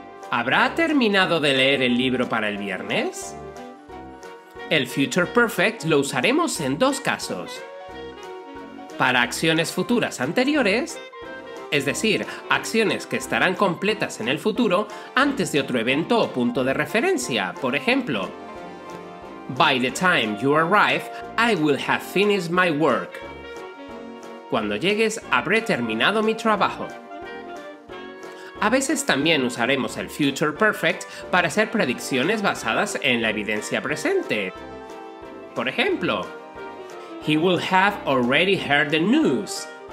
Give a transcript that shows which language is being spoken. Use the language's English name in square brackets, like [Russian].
[Spanish] ¿Habrá terminado de leer el libro para el viernes? El Future Perfect lo usaremos en dos casos. Para acciones futuras anteriores, es decir, acciones que estarán completas en el futuro antes de otro evento o punto de referencia. Por ejemplo, [English] by the time you arrive, I will have finished my work. [Spanish] Cuando llegues, habré terminado mi trabajo. A veces también usaremos el Future Perfect para hacer predicciones basadas en la evidencia presente. Por ejemplo, [English] he will have already heard the news.